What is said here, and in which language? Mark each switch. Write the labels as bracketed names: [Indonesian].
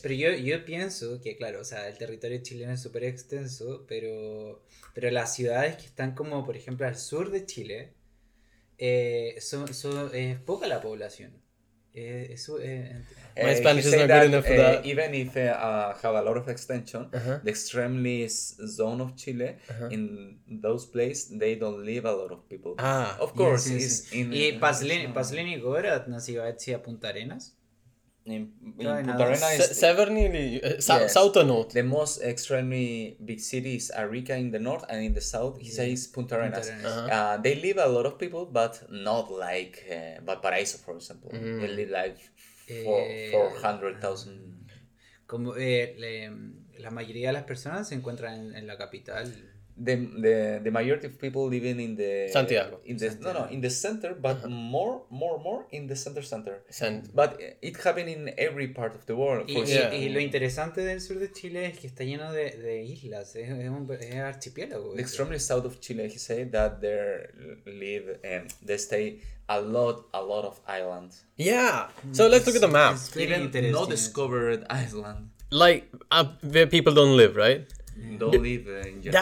[Spanish] Pero yo pienso que, claro, o sea, el territorio chileno es súper extenso, pero las ciudades que están como, por ejemplo, al sur de Chile, es poca la población. [English] My Spanish is not good enough for that. Even if they have a lot of extension, uh-huh. the extremely zone of Chile, uh-huh. in those places, they don't live a lot of people. Ah, of course. Yes, yes, in, [Spanish] y Paslin y Gorat, no se iba a decir a Punta Arenas. [English] In Punta Arenas. South or north? The most extremely big city is Arica in the north, and in the south, he says Punta Arenas. Uh-huh. They live a lot of people, but not like Valparaíso, for example. Mm. They live like 400,000. [Spanish] Como la mayoría de las personas se encuentran en la capital. [English] The majority of people living in the Santiago. In the center, but uh-huh. more in the center. Center. But it happened in every part of the world. [Spanish] Y lo interesante del sur de Chile es que está lleno de islas. Es un archipiélago. [English] The extremely south of Chile, he said that there live and they stay a lot of islands. Yeah. So let's look at the map. Even no discovered island. Like where people don't live, right? Don't live in general.